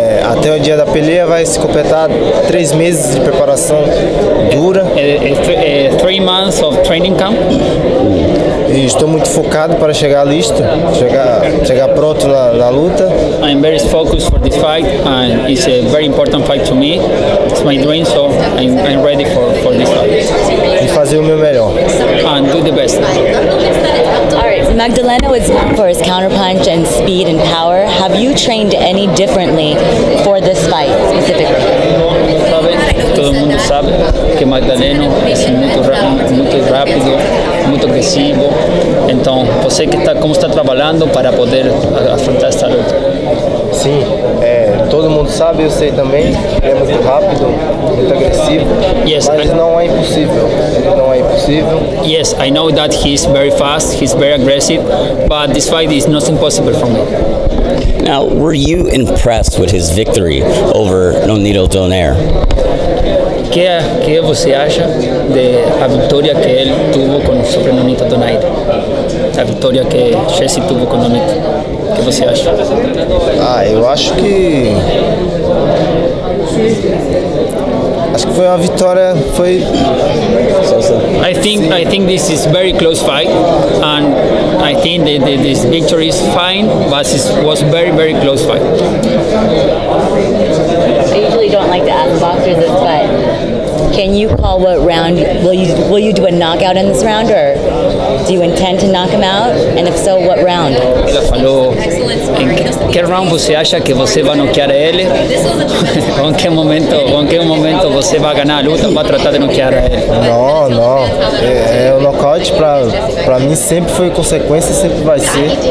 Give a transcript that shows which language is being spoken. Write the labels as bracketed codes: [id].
[pt] Até o dia da peleia vai se completar 3 meses de preparação dura. [en] 3 months of training camp. [pt] E estou muito focado para chegar listo, chegar pronto na luta. [en] I'm very focused for this fight and it's a very important fight to me. It's my dream, so I'm ready for this fight. [pt] E fazer o meu melhor. [en] And do the best. Magdaleno is known for his counterpunch and speed and power. Have you trained any differently for this fight specifically? [es] Todo el mundo sabe que Magdaleno es muy rápido, muy agresivo. Entonces, ¿usted qué está, cómo está trabajando para poder afrontar esta lucha? Sí, todo el mundo sabe, yo sé también, que es muy rápido, muy agresivo. [en] Yes, [es] pero no es imposible. No es imposible. [en] Yes, I know that he's very fast, he's very aggressive, but this fight is not impossible for me. Now, were you impressed with his victory over Nonito Donaire? [es] ¿Qué [pt] você acha [es] de la victoria que él tuvo con sobre Nonito Donaire? La victoria que Jesse tuvo con Nonito. ¿Qué [pt] você acha? [es] Yo acho que. Acho que fue una victoria. [en] I think this is very close fight and I think this victory is fine, but it was very, very close fight. I usually don't like to ask boxers this, but can you call what round, will you do a knockout in this round or do you intend to knock him out? And if so, what round? [pt] Ela falou, em que round você acha que você vai noquear ele? Em que momento você vai ganhar a luta ou vai tratar de noquear ele? Não. É o nocaute pra mim sempre foi consequência, sempre vai ser.